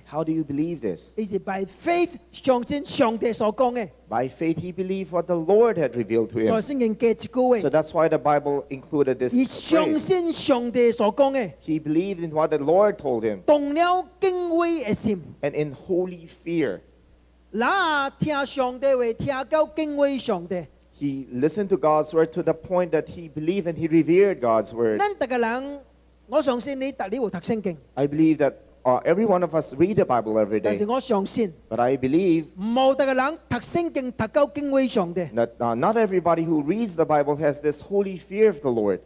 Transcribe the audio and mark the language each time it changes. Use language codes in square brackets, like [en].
[en] How do you believe this? Is it by faith? [zh] 相信上帝所讲的? [en] By faith he believed what the Lord had revealed to him. [zh] 所以圣经给一句话, [en] so that's why the Bible included this [zh] 你相信上帝所讲的, [en] He believed in what the Lord told him. [zh] 动了敬畏的心, [en] and in holy fear. [zh] 那听上帝为听够敬畏上帝, [en] he listened to God's word to the point that he believed and he revered God's word. [zh] 咱每个人, 我相信你, [en] I believe that every one of us read the Bible every day. [zh] 但是我相信, [en] but I believe [zh] 没每个人读圣经读够敬畏上帝, [en] that not everybody who reads the Bible has this holy fear of the Lord.